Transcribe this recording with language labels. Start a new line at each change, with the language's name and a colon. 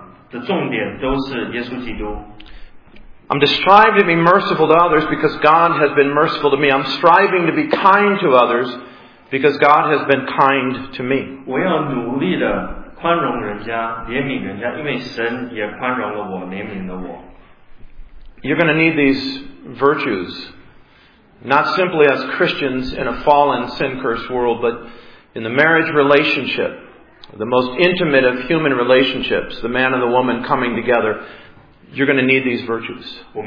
Chinese: 所以基督徒的思想都是，的重点都是耶稣基督。
English: I'm striving to be merciful to others because God has been merciful to me. I'm striving to be kind to others because God has been kind to me.
Chinese: 我要努力地宽容人家，怜悯人家，因为神也宽容了我，怜悯了我。
English: You're going to need these virtues, not simply as Christians in a fallen, sin-cursed world, but in the marriage relationship, the most intimate of human relationships, the man and the woman coming together. You're going to need these virtues.